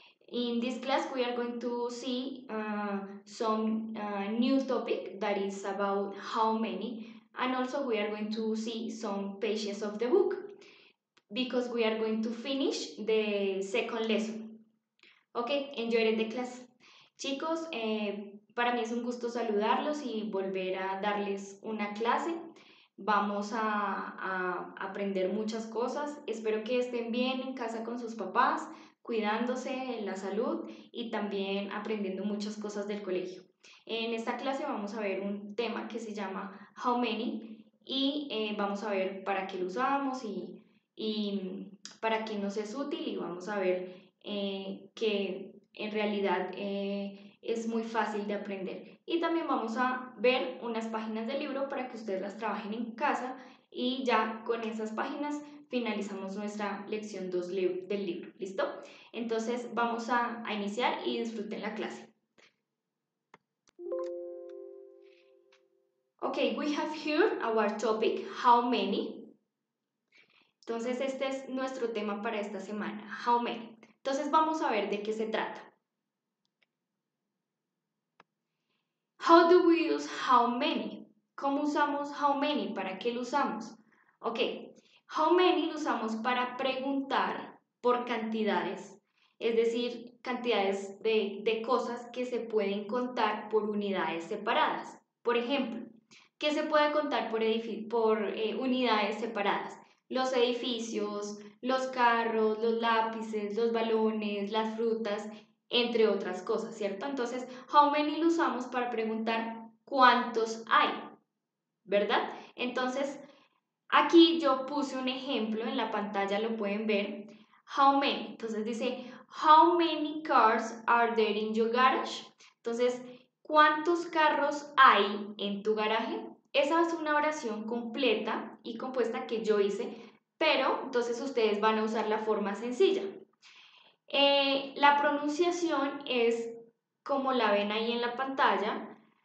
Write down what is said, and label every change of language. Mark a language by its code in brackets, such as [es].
[en] In this class we are going to see some new topic that is about how many, and also we are going to see some pages of the book, because we are going to finish the second lesson. Okay, enjoy the class. [es] Chicos, para mí es un gusto saludarlos y volver a darles una clase. Vamos a aprender muchas cosas. Espero que estén bien en casa con sus papás, cuidándose en la salud y también aprendiendo muchas cosas del colegio. En esta clase vamos a ver un tema que se llama How Many y vamos a ver para qué lo usamos y para qué nos es útil, y vamos a ver que en realidad es muy fácil de aprender. Y también vamos a ver unas páginas del libro para que ustedes las trabajen en casa, y ya con esas páginas finalizamos nuestra lección 2 del libro, ¿listo? Entonces vamos a iniciar y disfruten la clase. [en] Okay, we have here our topic, how many. [es] Entonces, este es nuestro tema para esta semana, how many. Entonces, vamos a ver de qué se trata. [en] How do we use how many? [es] ¿Cómo usamos how many? ¿Para qué lo usamos? Ok, how many lo usamos para preguntar por cantidades, es decir, cantidades de cosas que se pueden contar por unidades separadas. Por ejemplo, ¿qué se puede contar por unidades separadas? Los edificios, los carros, los lápices, los balones, las frutas, entre otras cosas, ¿cierto? Entonces, how many lo usamos para preguntar cuántos hay, ¿verdad? Entonces, aquí yo puse un ejemplo, en la pantalla lo pueden ver, how many. Entonces dice, [en] how many cars are there in your garage? [es] Entonces, ¿cuántos carros hay en tu garaje? Esa es una oración completa y compuesta que yo hice, pero entonces ustedes van a usar la forma sencilla. La pronunciación es como la ven ahí en la pantalla.